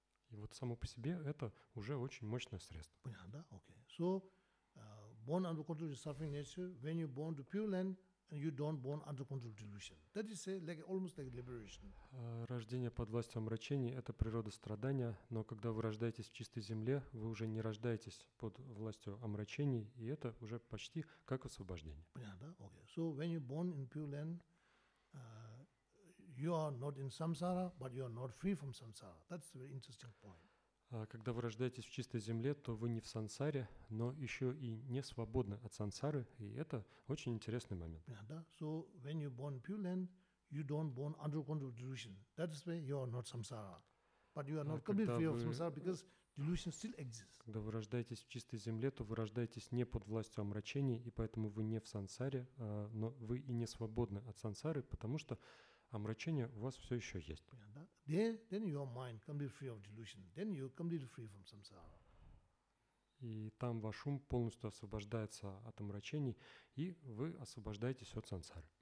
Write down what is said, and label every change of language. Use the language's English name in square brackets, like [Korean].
[Russian] И вот само по себе это уже очень мощное средство. Понятно, да? Окей. [English] So, born under control of suffering nature, when you're born to pure land, and you don't born under control of delusion. That is a, like, almost like liberation. [Russian] Рождение под властью омрачений – это природа страдания, но когда вы рождаетесь в чистой земле, вы уже не рождаетесь под властью омрачений, и это уже почти как освобождение. Понятно, да? [English] Okay. So when you're born in pure land, you are not in samsara, but you are not free from samsara. That's a very interesting point. [Russian] Когда вы рождаетесь в чистой земле, то вы не в сансаре, но еще и не свободны от сансары, и это очень интересный момент. Yeah, да? [English] So when you're born pure land, you don't born under control of delusion. That is why you are not samsara. But you are not completely free of samsara because delusion still exists. [Russian] Когда вы рождаетесь в чистой земле, то вы рождаетесь не под властью омрачений, и поэтому вы не в сансаре, но вы и не свободны от сансары, потому что омрачение у вас все еще есть. Yeah, да? [English] Then your mind can be free of delusion. Then you completely free from samsara. [Russian] И там ваш ум полностью освобождается от омрачений, и вы освобождаетесь от сансары.